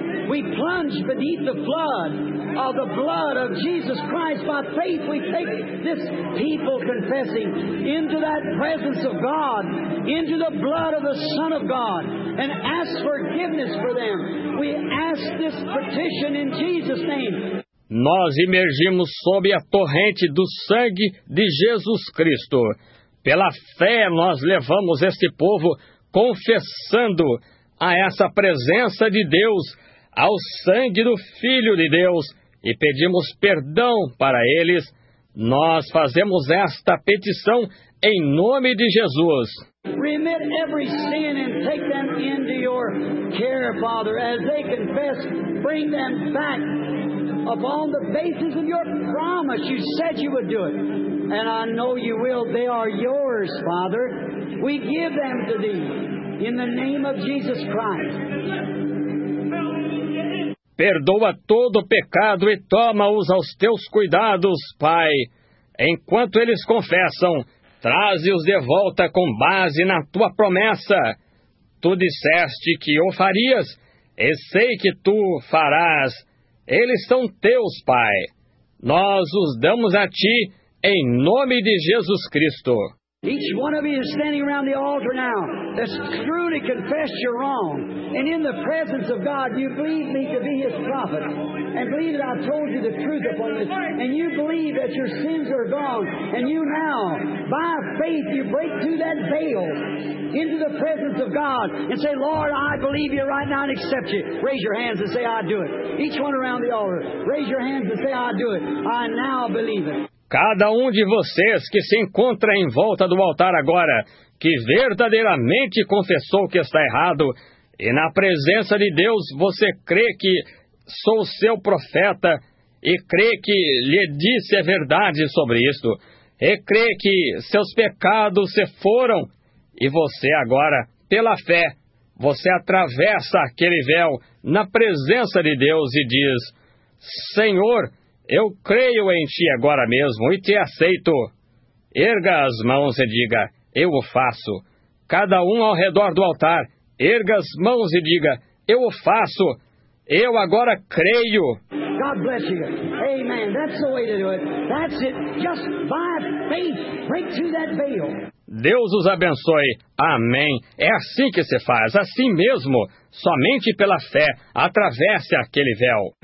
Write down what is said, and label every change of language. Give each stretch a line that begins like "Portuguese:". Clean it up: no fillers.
English: We plunge beneath the flood of the blood of Jesus Christ. By faith we take this people confessing into that presence of God, into the blood of the Son of God, and ask forgiveness for them. We ask this petition in Jesus' name.
Portuguese: Nós emergimos sob a torrente do sangue de Jesus Cristo. Pela fé nós levamos este povo confessando a essa presença de Deus, ao sangue do Filho de Deus, e pedimos perdão para eles. Nós fazemos esta petição em nome de Jesus.
English: Remit every sin and take them into your care, Father, as they confess, bring them back upon the basis of your promise. You said you would do it, and I know you will. They are yours, Father. We give them to thee in the name of Jesus Christ.
Portuguese: Perdoa todo o pecado e toma-os aos teus cuidados, Pai. Enquanto eles confessam, traze-os de volta com base na tua promessa. Tu disseste que o farias, e sei que tu farás. Eles são teus, Pai. Nós os damos a ti, em nome de Jesus Cristo.
English: Each one of you is standing around the altar now that's truly confessed your wrong. And in the presence of God, you believe me to be his prophet. And believe that I've told you the truth upon this. And you believe that your sins are gone. And you now, by faith, you break through that veil into the presence of God and say, Lord, I believe you right now and accept you. Raise your hands and say, I do it. Each one around the altar, raise your hands and say, I do it. I now believe it.
Portuguese: Cada um de vocês que se encontra em volta do altar agora, que verdadeiramente confessou que está errado, e na presença de Deus você crê que sou seu profeta, e crê que lhe disse a verdade sobre isto, e crê que seus pecados se foram, e você agora, pela fé, você atravessa aquele véu na presença de Deus e diz, Senhor, eu creio em ti agora mesmo e te aceito. Erga as mãos e diga, eu o faço. Cada um ao redor do altar, erga as mãos e diga, eu o faço. Eu agora creio.
English: God bless you. Amen. That's the way to do it. That's it. Just by faith, break through that veil.
Portuguese: Deus os abençoe. Amém. É assim que se faz, assim mesmo. Somente pela fé, atravesse aquele véu.